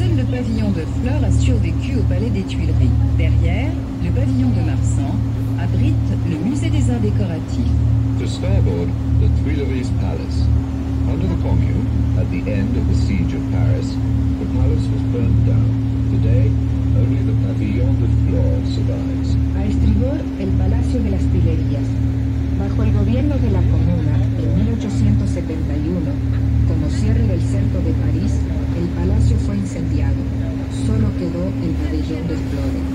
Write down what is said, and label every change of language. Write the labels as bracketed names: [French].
[French] pavillon de fleurs a survécu au palais des Tuileries. Derrière, le pavillon de Marsan abrite le musée des arts décoratifs. [English] To starboard, the Tuileries Palace. Under the Commune, at the end of the siege of Paris, the palace was burned down. Today, only the pavillon de fleurs survives. [Spanish] A estribor, el Palacio de las Tuileries. Bajo el gobierno de la Comuna, en 1871, como cierre del centro de París, el palacio fue incendiado. Solo quedó el pabellón de flores.